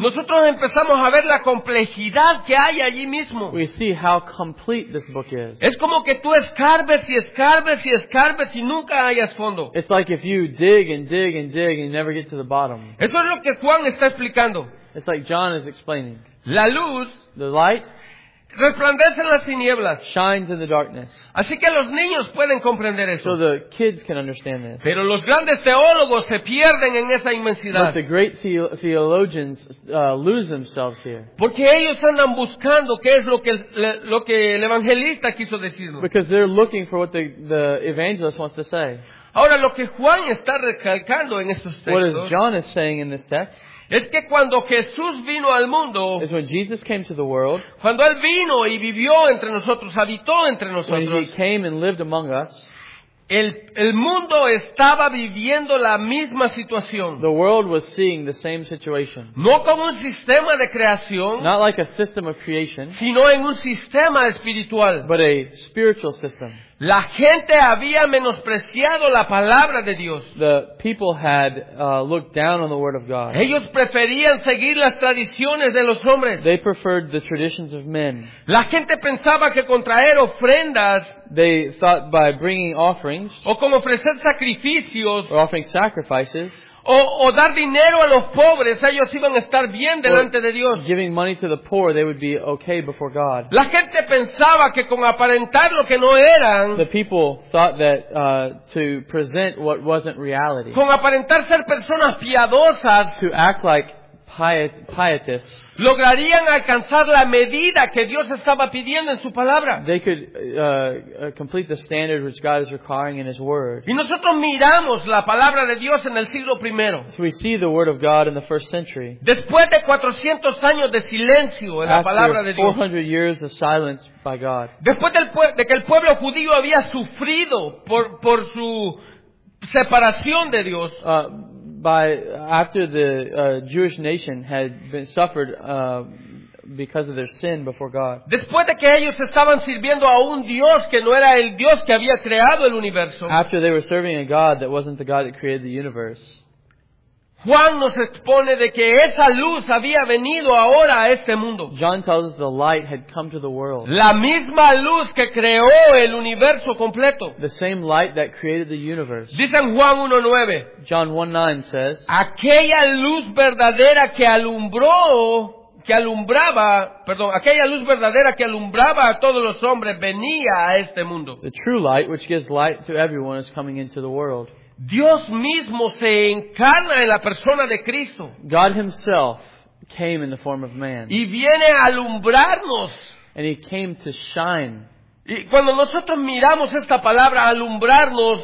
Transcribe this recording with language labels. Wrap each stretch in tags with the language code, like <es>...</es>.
<es>nosotros empezamos a ver la complejidad que hay allí mismo.</es> <en>We see how complete this book is.</en> <es>Es como que tú escarbes y escarbes y escarbes y nunca hayas fondo.</es> <en>It's like if you dig and dig and dig and you never get to the bottom.</en> <es>Eso es lo que Juan está explicando.</es> <en>It's like John is explaining.</en> <es>La luz,</es> <en>the light,</en> <es>resplandece en las tinieblas,</es> <en>shines in the darkness.</en> <es>Así que los niños pueden comprender eso.</es> <en>So the kids can understand this.</en> <es>Pero los grandes teólogos se pierden en esa inmensidad.</es> <en>But the great theologians lose themselves here.</en> <es>Porque ellos andan buscando qué es lo que el evangelista quiso decir.</es> <en>Because they're looking for what the evangelist wants to say.</en> <es>Ahora lo que Juan está recalcando en estos textos.</es> <en>What is John is saying in this text?</en> <es>Es que cuando Jesús vino al mundo,</es> <en>is when Jesus came to the world,</en> <es>cuando Él vino y vivió entre nosotros, habitó entre nosotros,</es> <en>when He came and lived among us,</en> <es>el mundo estaba viviendo la misma situación.</es> <en>The world was seeing the same situation.</en> <es>No como un sistema de creación,</es> <en>not like a system of creation,</en> <es>sino en un sistema espiritual,</es> <en>but a spiritual system.</en> <es>La gente había menospreciado la palabra de Dios.</es> <en>The people had looked down on the word of God.</en> <es>Ellos preferían seguir las tradiciones de los hombres.</es> <en>They preferred the traditions of men.</en> <es>La gente pensaba que con traer ofrendas,</es> <en>they thought by bringing offerings,</en> <es>o con ofrecer sacrificios,</es> <en>or offering sacrifices,</en> <es>o dar dinero a los pobres, ellos iban a estar bien delante de Dios.</es> <en>Giving money to the poor, they would be okay before God.</en> <es>La gente pensaba que con aparentar lo que no eran,</es> <en>the people thought that to present what wasn't reality,</en> <es>con aparentar ser personas piadosas,</es> <en>to act like pietists,</en> <es>lograrían alcanzar la medida que Dios estaba pidiendo en su palabra.</es> <en>They could complete the standard which God is requiring in His Word.</en> <es>Y nosotros miramos la palabra de Dios en el siglo primero.</es> <en>So we see the Word of God in the first century.</en> <es>Después de 400 años de silencio en</es> <en>after</en> <es>la palabra de Dios.</es> <en>400 years of silence by God.</en> <es>Después de que el pueblo judío había sufrido por su separación de Dios.</es> <en>After the Jewish nation had been suffered because of their sin before God.</en> <es>Después de que ellos estaban sirviendo a un Dios que no era el Dios que había creado el universo.</es> <en>After they were serving a God that wasn't the God that created the universe. Huh?</en> <es>Juan nos expone de que esa luz había venido ahora a este mundo.</es> <en>John tells us the light had come to the world.</en> <es>La misma luz que creó el universo completo.</es> <en>The same light that created the universe.</en> <es>Dice en Juan 1:9.</es> <en>John 1:9 says.</en> <es>Aquella luz verdadera que alumbró, que alumbraba, perdón, aquella luz verdadera que alumbraba a todos los hombres venía a este mundo.</es> <en>The true light which gives light to everyone is coming into the world.</en> <es>Dios mismo se encarna en la persona de Cristo.</es> <en>God himself came in the form of man.</en> <es>Y viene a alumbrarnos.</es> <en>And he came to shine.</en> <es>Y cuando nosotros miramos esta palabra alumbrarnos,</es>